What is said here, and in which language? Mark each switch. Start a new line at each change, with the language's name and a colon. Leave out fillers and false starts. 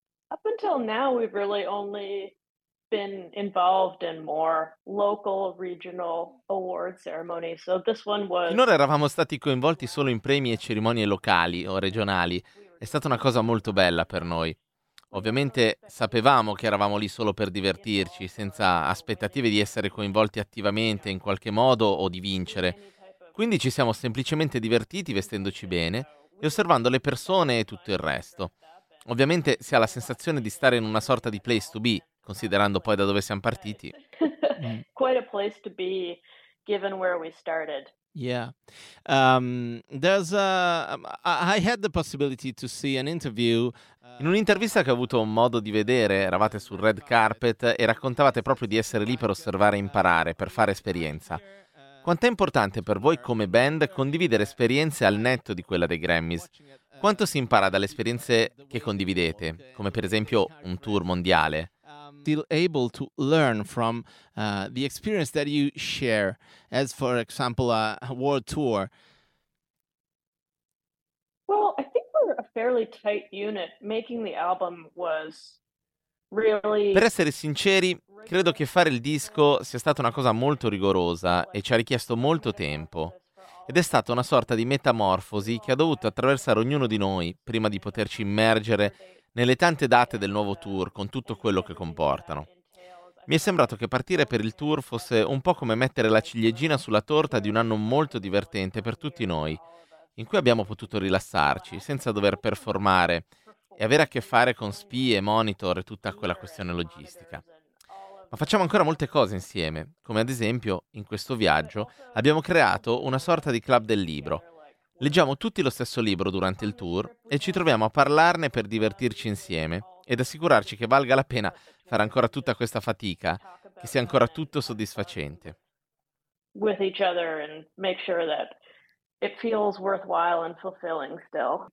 English: Up until now we've really only been involved in more local regional award ceremonies. So this one was.
Italian: Finora eravamo stati coinvolti solo in premi e cerimonie locali o regionali. È stata una cosa molto bella per noi. Ovviamente sapevamo che eravamo lì solo per divertirci, senza aspettative di essere coinvolti attivamente in qualche modo o di vincere. Quindi ci siamo semplicemente divertiti vestendoci bene e osservando le persone e tutto il resto. Ovviamente si ha la sensazione di stare in una sorta di
English: place to be,
Italian: considerando poi da dove siamo partiti.
English: Quite a place to be, given where we started. Yeah. I had the possibility to see an interview.
Italian: In un'intervista che ho avuto modo di vedere, eravate sul red carpet e raccontavate proprio di essere lì per osservare e imparare, per fare esperienza. Quanto è importante per voi come band condividere esperienze al netto di quella dei Grammys? Quanto si impara dalle esperienze che condividete, come per esempio un tour mondiale?
English: Still able to learn from the experience that you share, as for example a world tour. Well, I think we're a fairly tight unit. Making the album was really.
Italian: Per essere sinceri, credo che fare il disco sia stata una cosa molto rigorosa e ci ha richiesto molto tempo. Ed è stata una sorta di metamorfosi che ha dovuto attraversare ognuno di noi prima di poterci immergere nelle tante date del nuovo tour con tutto quello che comportano. Mi è sembrato che partire per il tour fosse un po' come mettere la ciliegina sulla torta di un anno molto divertente per tutti noi, in cui abbiamo potuto rilassarci senza dover performare e avere a che fare con spie, monitor e tutta quella questione logistica. Ma facciamo ancora molte cose insieme, come ad esempio in questo viaggio abbiamo creato una sorta di club del libro. Leggiamo tutti lo stesso libro durante il tour e ci troviamo a parlarne per divertirci insieme ed assicurarci che valga la pena fare ancora tutta questa fatica, che sia ancora tutto soddisfacente.
English: With each other and make sure that it feels worthwhile and fulfilling still.